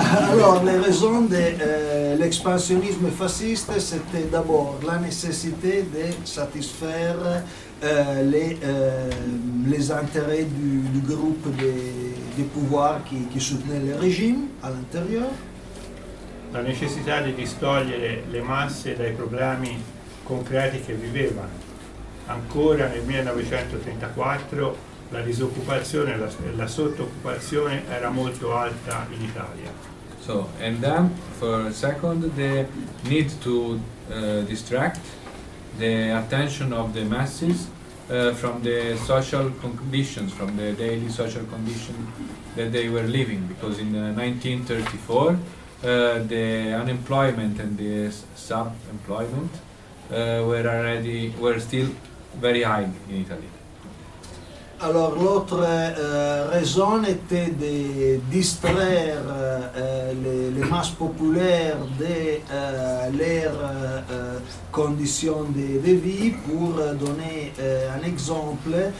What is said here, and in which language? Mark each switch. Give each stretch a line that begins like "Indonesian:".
French: Allora, le raison de l'expansionisme fasciste, c'était d'abord la nécessité de satisfaire les intérêts du groupe des pouvoirs qui soutenait le régime à l'intérieur.
Italian: La necessità di distogliere le masse dai problemi concreti che vivevano. Ancora nel 1934 la disoccupazione e la sottooccupazione era molto alta in Italia.
English: So, and then for a second the need to distract the attention of the masses from the social conditions, from the daily social condition that they were living, because in 1934 the unemployment and the sub-employment were still very high in Italy.
French: Alors l'autre raison était de distraire les masses populaires de leurs conditions de vie pour donner un exemple.